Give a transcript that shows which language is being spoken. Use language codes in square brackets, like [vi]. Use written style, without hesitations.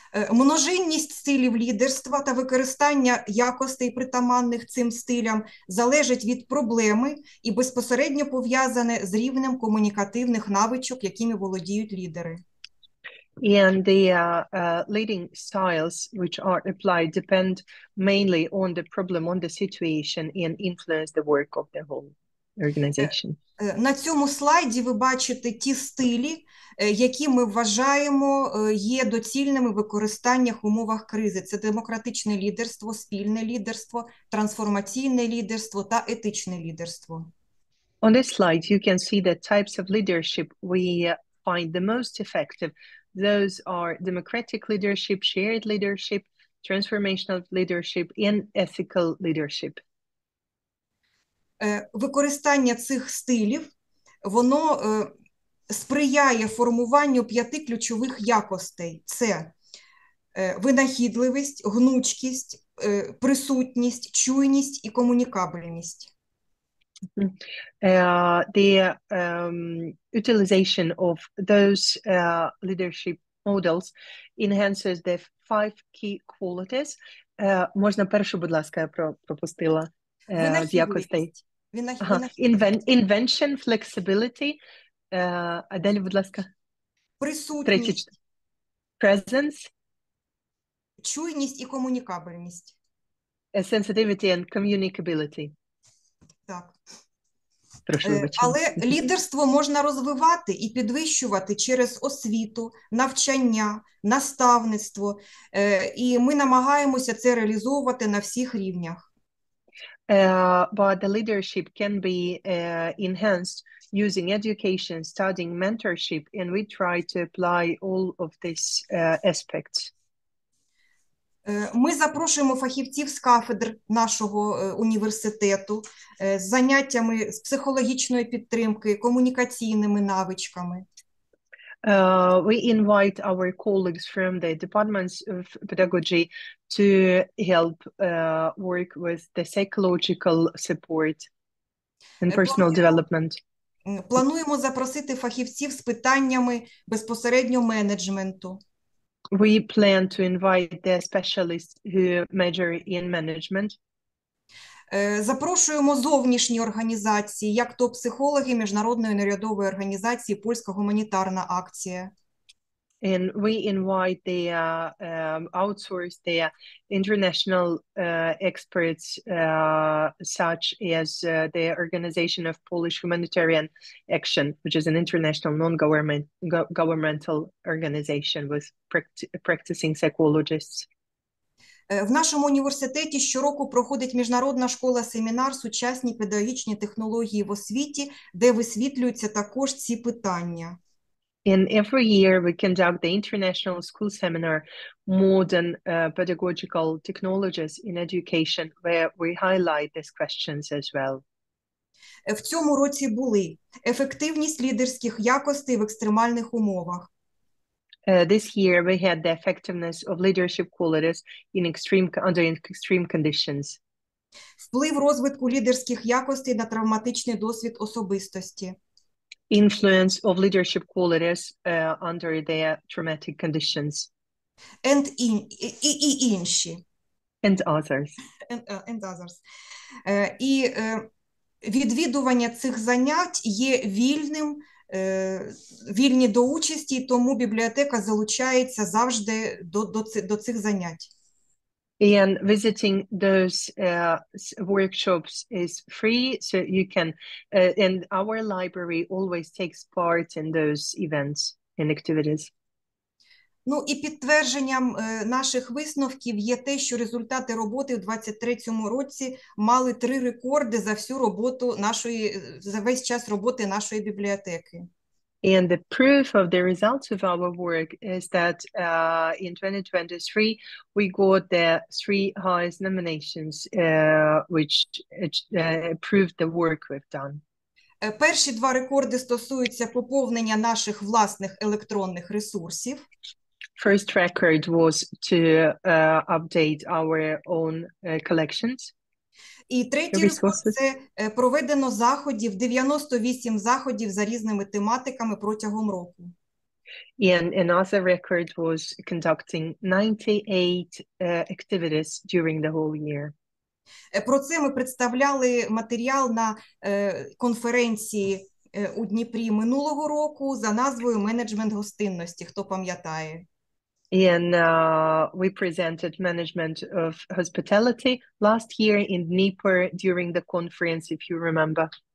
[uk] Множинність стилів лідерства та використання якостей, притаманних цим стилям, залежить від проблеми і безпосередньо пов'язане з рівнем комунікативних навичок, якими володіють лідери. [en] And the leading styles which are applied depend mainly on the problem, on the situation, and influence the work of the whole organization. [uk] На цьому слайді ви бачите ті стилі, які ми вважаємо є доцільними використання в умовах кризи. Це демократичне лідерство, спільне лідерство, трансформаційне лідерство та етичне лідерство. [en] On this slide you can see the types of leadership we find the most effective. Those are democratic leadership, shared leadership, transformational leadership and ethical leadership. [uk] Використання цих стилів, воно сприяє формуванню п'яти ключових якостей. Це винахідливість, гнучкість, присутність, чуйність і комунікабельність. [en] Utilization of those leadership models enhances the five key qualities. [uk] Можна першу, будь ласка, я пропустила з якостей. [en] Invention, flexibility. [uk] А далі, будь ласка. Присутність. [en] Presence. [uk] Чуйність і комунікабельність. [en] Sensitivity and communicability. [uk] Так. Прошу, вибачте. Але лідерство можна розвивати і підвищувати через освіту, навчання, наставництво. І ми намагаємося це реалізовувати на всіх рівнях. [en] But the leadership can be enhanced using education, studying, mentorship, and we try to apply all of these aspects. [uk] Ми запрошуємо фахівців з кафедр нашого університету з заняттями з психологічної підтримки, комунікаційними навичками. [en] We invite our colleagues from the departments of pedagogy to help work with the psychological support and personal development. [uk] Плануємо запросити фахівців з питаннями безпосередньо менеджменту. [en] We plan to invite the specialists who major in management. [uk] Запрошуємо зовнішні організації, як то психологи Міжнародної неурядової організації «Польська гуманітарна акція». [en] And we invite the outsource the international experts such as the Organization of Polish Humanitarian Action, which is an international non-governmental organization with practicing psychologists. [uk] В нашому університеті щороку проходить міжнародна школа-семінар «Сучасні педагогічні технології в освіті», де висвітлюються також ці питання. [en] And every year we conduct the international school seminar Modern Pedagogical Technologies in Education, where we highlight these questions as well. [uk] В цьому році були ефективність лідерських якостей в екстремальних умовах. [en] This year we had the effectiveness of leadership qualities in extreme under extreme conditions. [uk] Вплив розвитку лідерських якостей на травматичний досвід особистості. [en] Influence of leadership qualities under their traumatic conditions. And [uk] і інші. [en] And others. And others. [uk] І відвідування цих занять є вільним, вільні до участі, тому бібліотека залучається завжди до цих занять. [en] And visiting those workshops is free, so you can, and our library always takes part in those events and activities. [uk] Ну і підтвердженням наших висновків є те, що результати роботи в 23-му році мали три рекорди за всю роботу нашої, за весь час роботи нашої бібліотеки. [en] And the proof of the results of our work is that in 2023, we got the three highest nominations, which proved the work we've done. [uk] Перші два рекорди стосуються поповнення наших власних електронних ресурсів. [en] First record was to update our own collections. [uk] І третій рекорд – це проведено заходів, 98 заходів за різними тематиками протягом року. [en] And another record was conducting 98 activities during the whole year. [uk] Про це ми представляли матеріал на конференції у Дніпрі минулого року за назвою «Менеджмент гостинності», хто пам'ятає. [en] And we presented management of hospitality last year in Dnieper during the conference, if you remember.